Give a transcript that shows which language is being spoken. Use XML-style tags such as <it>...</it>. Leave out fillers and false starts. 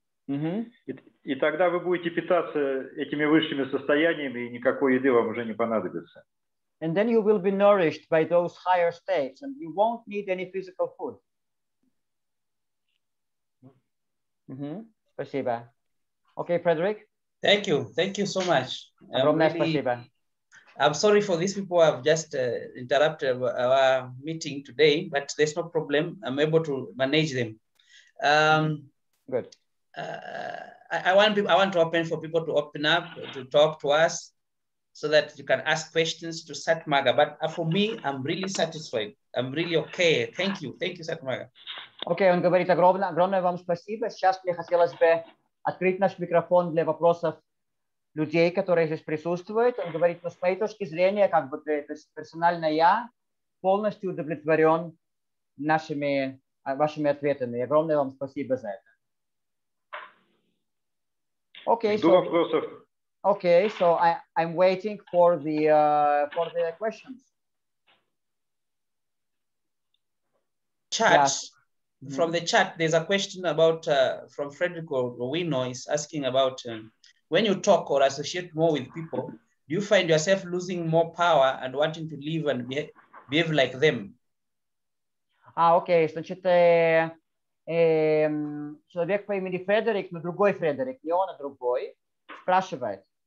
<ru>Mm-hmm. И тогда вы будете питаться этими высшими состояниями, и никакой еды вам уже не понадобится.</ru> <en>And then you will be nourished by those higher states, and you won't need any physical food. Mm-hmm.</en> <ru>Спасибо.</ru> <en>Okay, Frederick? Thank you. Thank you so much.</en> <ru>Огромное спасибо.</ru> <en>I'm sorry for these people. I've just interrupted our meeting today, but there's no problem. I'm able to manage them. Good. I want to open for people to open up to talk to us, so that you can ask questions to Satmaga. But for me, I'm really satisfied. I'm really okay. Thank you, Satmaga.</en> <ru>Okay, он говорит огромное, огромное вам спасибо. Сейчас мне хотелось бы открыть наш микрофон для вопросов. Людей, которые здесь присутствуют, он говорит, ну, с моей точки зрения, как бы персонально я полностью удовлетворен нашими, вашими ответами. Огромное вам спасибо за это.</ru> <en>Okay,</en> <ru>до вопросов.</ru> <en>Okay, so I'm waiting for the questions. Chat. Yeah. From the chat, there's a question about from Frederick Rowino is asking about when you talk or associate more with people, do you find yourself losing more power and wanting to live and behave like them?</en> <ru>А, окей, значит, человек по имени Фредерик, но другой Фредерик, не он, а другой, спрашивает,</ru>